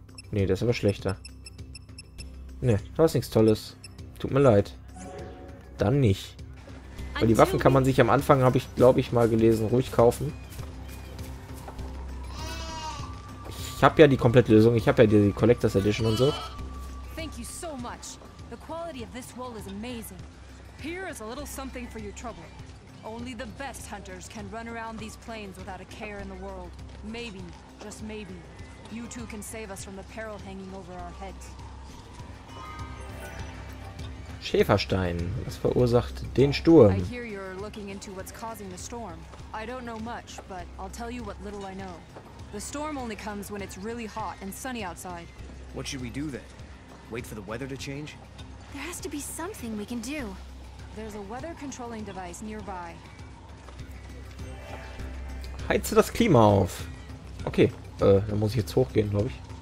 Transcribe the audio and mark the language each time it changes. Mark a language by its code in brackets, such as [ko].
[de] Nee, der ist aber schlechter. Nee, da ist nichts Tolles. Tut mir leid. Dann nicht. Aber die Waffen kann man sich am Anfang, habe ich, glaube ich, mal gelesen, ruhig kaufen. Ich habe ja die komplette Lösung. Ich habe ja die Collector's Edition und so. [en] Thank you so much. The quality of this wool is amazing. Here is a little something for your trouble. Only the best hunters can run around these plains without a care in the world. Maybe, just maybe, you two can save us from the peril hanging over our heads. [de] Schäferstein. Was verursacht den Sturm? [en] I hear you're looking into what's causing the storm. I don't know much, but I'll tell you what little I know. The storm only comes when it's really hot and sunny outside. What should we do then? Wait for the weather to change? There has to be something we can do. There's a weather controlling device nearby. [de] Heize das Klima auf. Okay, dann muss ich jetzt hochgehen, glaube ich.